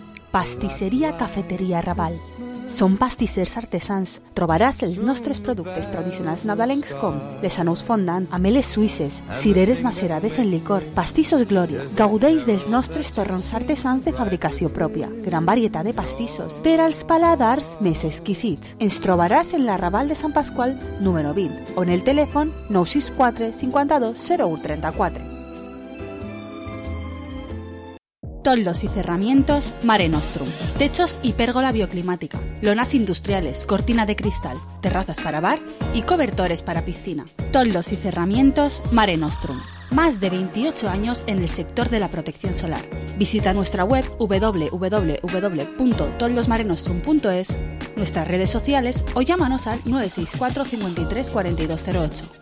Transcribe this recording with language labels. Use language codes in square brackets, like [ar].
[ca] Pastissería Cafeteria Raval. Són pastissers artesans. Trobaràs els nostres productes tradicionals nadalencs com les anous fondant, ameles suïsses, cireres macerades en licor, pastissos glòria. Gaudeix dels nostres torrons artesans de fabricació pròpia. Gran varietat de pastissos per als paladars més exquisits. Ens trobaràs en la Raval de Sant Pasqual número 20 o en el telèfon 964-520134. [es] Toldos y cerramientos Mare Nostrum. Techos y pérgola bioclimática. Lonas industriales, cortina de cristal, terrazas para bar y cobertores para piscina. Toldos y cerramientos Mare Nostrum. Más de 28 años en el sector de la protección solar. Visita nuestra web www.toldosmarenostrum.es, nuestras redes sociales o llámanos al 964-534208.